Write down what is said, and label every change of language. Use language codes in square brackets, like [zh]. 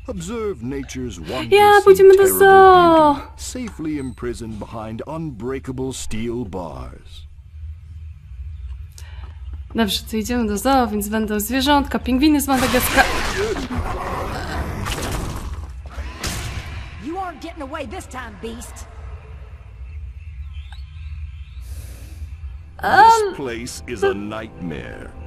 [en] Observe nature's wonders. [pl] Ja, pójdziemy do zoo. [en] Safely imprisoned behind unbreakable steel bars. [pl] Dobrze, to idziemy do zoo, więc będą zwierzątka, pingwiny z Madagaskaru. [en] You aren't getting away this time, beast. This place is a nightmare.